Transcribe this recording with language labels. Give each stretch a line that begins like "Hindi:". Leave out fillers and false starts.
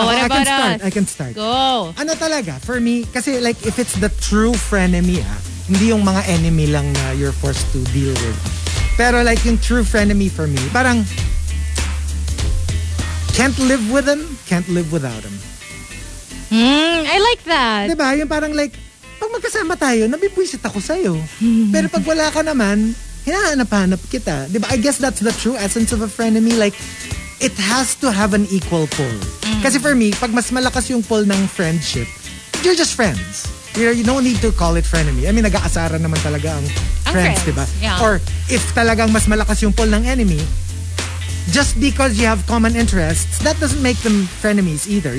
English: I can start. Go. Ano talaga? For me, kasi like, if it's the true frenemy, ah, hindi yung mga enemy lang na you're forced to deal with. Pero like yung true frenemy for me, parang can't live with him, can't live without him. I like that.
Filipino: Diba? Yung parang like, pag magkasama tayo, nabibwisit ako sa'yo. Pero pag wala ka naman, hinahanap-hanap kita. Diba?
English: I guess that's the true essence of a frenemy. Like, it has to have an equal pull. Kasi for me, pag mas malakas yung pull ng friendship, you're just friends. You don't need to call it frenemy.
Filipino: I mean, nag-aasara naman talaga ang friends, diba?
English: Yeah. Or if talagang mas malakas yung pull ng enemy, just because you have common interests, that doesn't make them frenemies either.